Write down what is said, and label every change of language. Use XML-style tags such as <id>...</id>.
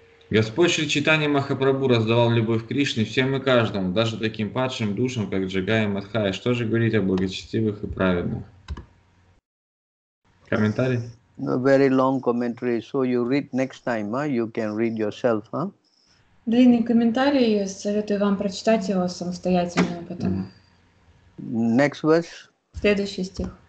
<ru>Господь Шри Чайтанья Махапрабху раздавал любовь Кришне всем и каждому, даже таким падшим душам, как Джагай и Мадхай. Что же говорить о благочестивых и праведных? Комментарий?</ru> <en>No, very long commentary. So you read next time, you can read yourself,</en> <ru>Длинный комментарий, советую вам прочитать его самостоятельно потом.</ru> <en>Next verse.</en> <ru>Следующий стих.</ru>